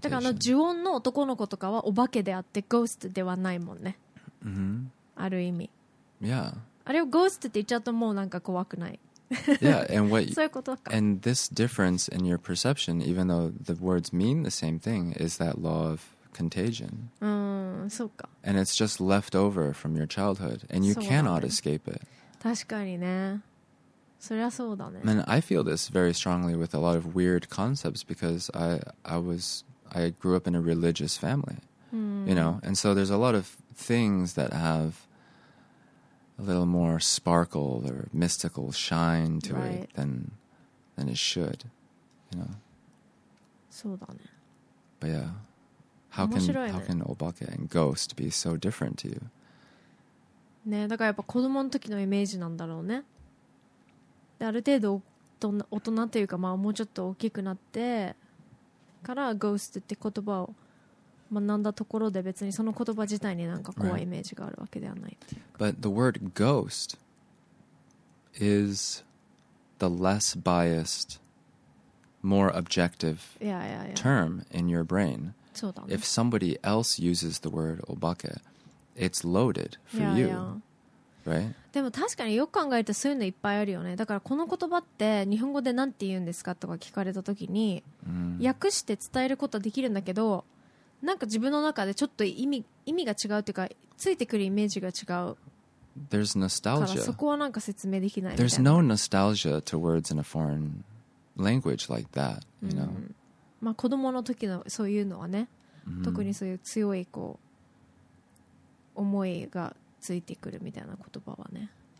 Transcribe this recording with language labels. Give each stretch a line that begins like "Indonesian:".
Japanese: だからあの呪音の男の子とかはお化けであってゴーストではないもんね。ある意味。
English: Yeah.
Japanese: あれをゴーストって言っちゃうともうなんか怖くない。
English: Yeah, and what
Japanese: そういうことか。
English: And this difference in your perception, even though the words mean the same thing, is that law of contagion.
Japanese: そうか。
English: And it's just left over from your childhood, and you cannot escape it.
Japanese: 確かにね。そりゃそうだね。
English: And I feel this very strongly with a lot of weird concepts because I grew up in a religious family. You know, and so there's a lot of things that have a little more sparkle or mystical shine to right. it than it should, you know.
Japanese: そうだね。
English: But yeah, how can obake and ghost be so different to you?
Japanese: ね、だからやっぱ子供の時のイメージなんだろうね。で、ある程度大人というか、まあもうちょっと大きくなってからゴーストって言葉を学んだところで、別にその言葉自体になんか怖いイメージがあるわけではない。
English: But the word ghost is the less biased, more objective term in your brain.
Japanese: そうだね。
English: If somebody else uses the word obake, it's loaded for you. Right?
Japanese: でも確かによく考えるとそういうのいっぱいあるよね。だからこの言葉って日本語でなんて言うんですかとか聞かれた時に、訳して伝えることはできるんだけど、なんか自分の中でちょっと意味が違うというか、ついてくるイメージが違う。
English: There's nostalgia.
Japanese: そこはなんか説明できない。
English: There's no nostalgia to words in a foreign language like that, you know.
Japanese: まあ子供の時のそういうのはね、特にそういう強いこう思いがついてくるみたいな言葉はね。